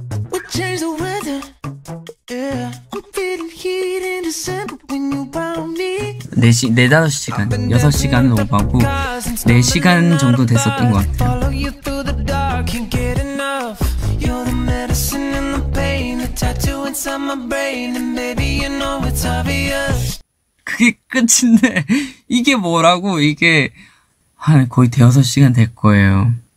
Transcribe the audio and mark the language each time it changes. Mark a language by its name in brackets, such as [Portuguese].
[English] We'll change the weather. Yeah. I'm feeling heat in December when you found me. [Korean] 4시, 4-5시간, 6시간은 오바고 4시간 정도 됐었던 것 같아요. [English] Follow you through the dark, can't get enough. You're the medicine and the pain, the tattoo inside my brain. And maybe you know it's obvious. [Korean] 그게 끝인데 이게 뭐라고. 이게 한 거의 대여섯 시간 될 거예요.